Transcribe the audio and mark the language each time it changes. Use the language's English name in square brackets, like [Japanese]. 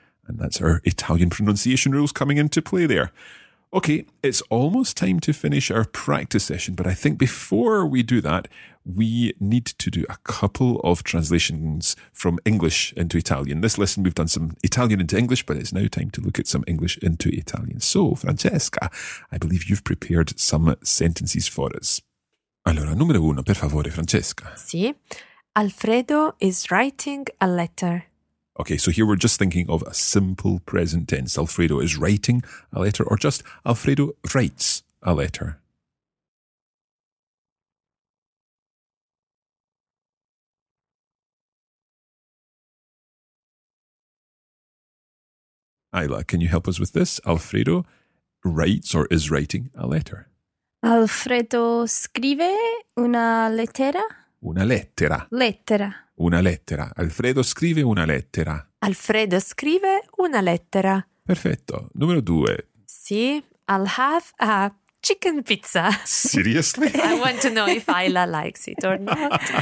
[English] And that's our Italian pronunciation rules coming into play there. Okay, it's almost time to finish our practice session, but I think before we do that, we need to do a couple of translations from English into Italian. This lesson, we've done some Italian into English, but it's now time to look at some English into Italian. So, Francesca, I believe you've prepared some sentences for us. [Italian] Allora, numero uno, per favore, Francesca. [English] Sì, Alfredo is writing a letter. Okay, so here we're just thinking of a simple present tense. Alfredo is writing a letter, or just Alfredo writes a letter. Ayla, can you help us with this? Alfredo writes or is writing a letter. [Italian] Alfredo scrive una lettera. Una lettera. Lettera. Una lettera. Alfredo scrive una lettera. Alfredo scrive una lettera. Perfetto. Numero due. [English] Sì, I'll have a chicken pizza. Seriously? I want to know if Ayla likes it or not.